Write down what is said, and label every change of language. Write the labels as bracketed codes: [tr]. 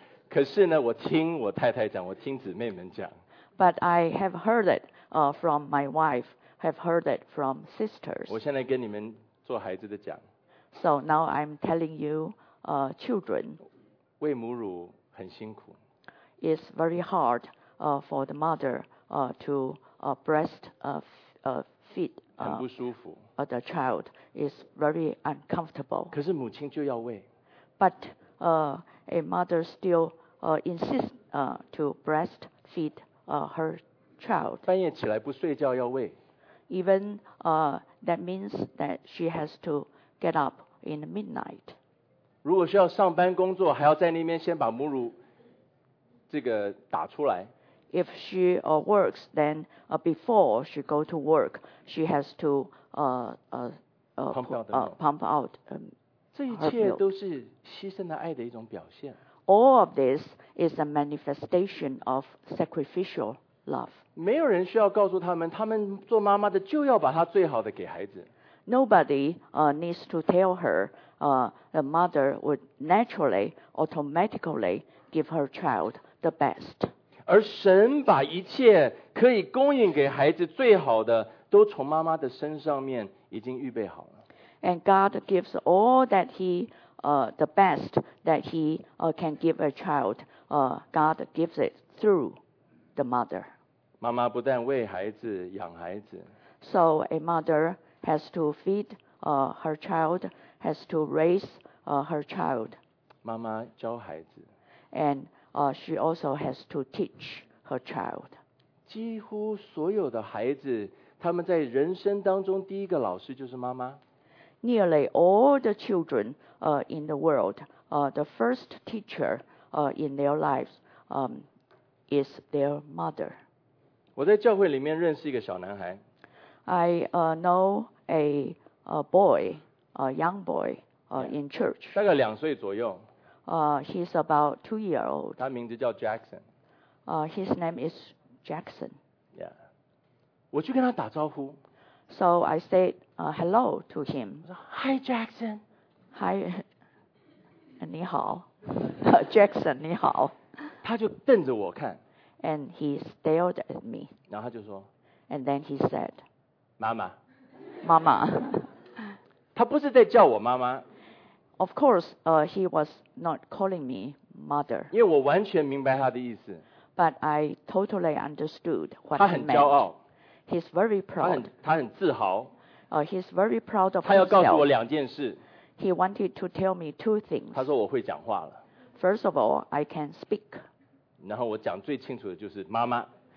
[zh] 可是呢，我听我太太讲，我听姊妹们讲。 [en] But I have heard it from my wife. Have heard it from sisters. [zh] 我现在跟你们做孩子的讲。 [en] So now I'm telling you, children. [zh] 喂母乳很辛苦。 [en] It's very hard, for the mother, to breast, feed. [zh] 很不舒服。 [en] The child is very uncomfortable. [zh] 可是母亲就要喂。 [en] But a mother still insists to breast feed her child. [zh] 半夜起来不睡觉要喂。 [en] Even that means that she has to get up in midnight. [zh] 如果需要上班工作，还要在那边先把母乳这个打出来。 [en] If she works, then before she go to work, she has to pump out. [zh] 这一切都是牺牲的爱的一种表现。 [en] All of this is a manifestation of sacrificial love. [zh] 没有人需要告诉他们，他们做妈妈的就要把他最好的给孩子。 [en] Nobody needs to tell her. The mother would naturally, automatically give her child the best. [zh] 而神把一切可以供应给孩子最好的，都从妈妈的身上面已经预备好了。 [en] And God gives all that He, the best that He can give a child. God gives it through the mother. [zh] 妈妈不但喂孩子，养孩子。 [en] So a mother has to feed her child, has to raise her child. [zh] 妈妈教孩子。 [en] And she also has to teach her child. [zh] 几乎所有的孩子，他们在人生当中第一个老师就是妈妈。 [en] Nearly all the children in the world, the first teacher in their lives is their mother. [zh] 我在教会里面认识一个小男孩。 [en] I know a boy, a young boy in church. [zh] 大概两岁左右。 [en] He's about 2 years old. [zh] 他名字叫 Jackson. [en] His name is Jackson. [zh] Yeah. 我去跟他打招呼。 [en] So I said hello to him. Hi, Jackson. Hi, [zh] 你好 Jackson, 你好。他就瞪着我看。 [en] And he stared at me. [zh] 然后他就说。 [en] And then he said, [zh] 妈妈。妈妈。他不是在叫我妈妈。 [en] Of course, he was not calling me mother. [zh] 因为我完全明白他的意思。 [en] But I totally understood what he meant. [zh] 他很骄傲。 [en] He's very proud. [zh] 他很自豪。 [en] He's very proud of [zh] 他要告诉我两件事。 [en] He wanted to tell me two things. [zh] 他说我会讲话了。 [en] First of all, I can speak. [zh] 然后我讲最清楚的就是妈妈。